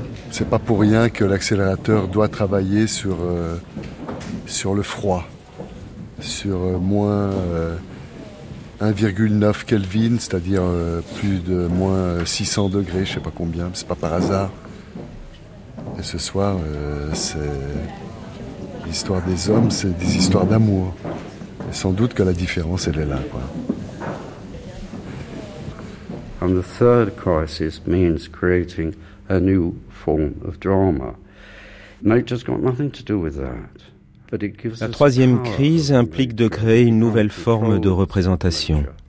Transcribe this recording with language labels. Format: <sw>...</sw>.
<fr>C'est pas pour rien que l'accélérateur doit travailler sur le froid, sur moins 1,9 Kelvin, c'est-à-dire plus de moins 600 degrés, je sais pas combien, c'est pas par hasard. Et ce soir, c'est l'histoire des hommes, c'est des histoires d'amour. Et sans doute que la différence, elle est là, quoi.</fr> <en>And the third crisis means creating a new form of drama. Nature's got nothing to do with that.</en> <fr>La troisième crise implique de créer une nouvelle forme de représentation.</fr>